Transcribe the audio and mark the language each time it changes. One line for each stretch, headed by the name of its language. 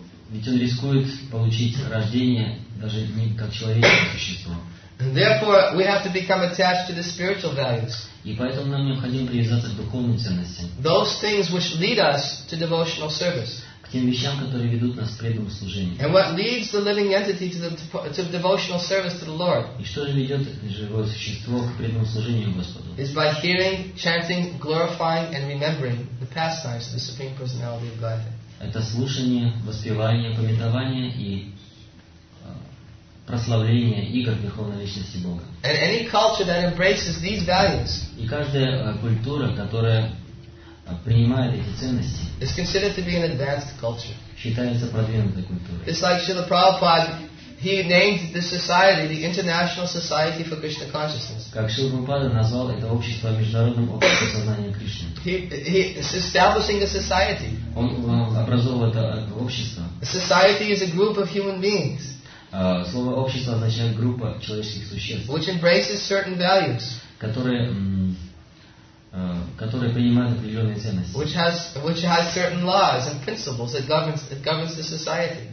Russian: Ведь он рискует получить рождение даже не как человеческое существо.
English: And therefore, we have to become attached to the spiritual values.
Russian: И поэтому нам необходимо привязаться к духовным ценностям.
English: Those things which lead us to devotional service.
Russian: К тем вещам, которые ведут нас к преданному служению.
English: And what leads the living entity to devotional service to the Lord?
Russian: И что же ведет живое существо к преданному служению Господу?
English: Is by hearing, chanting, glorifying, and remembering the pastimes of the Supreme Personality of Godhead.
Russian: Это слушание, воспевание, памятование и прославление игр Верховной Личности Бога.
English: And any culture that embraces these values,
Russian: и каждая культура, которая принимает эти ценности,
English: is considered to be an advanced culture.
Russian: Считается продвинутой культурой.
English: It's like Srila Prabhupada, he named this society the International Society for Krishna Consciousness.
Russian: Как Шрила Прабхупада назвал это общество международным обществом сознания Кришны.
English: He is establishing a society.
Russian: Он образовал это общество.
English: A society is a group of human beings.
Russian: Слово «общество» означает «группа человеческих существ»,
English: which embraces certain values,
Russian: которые принимают определенные ценности,
English: which has certain laws and principles that governs the society,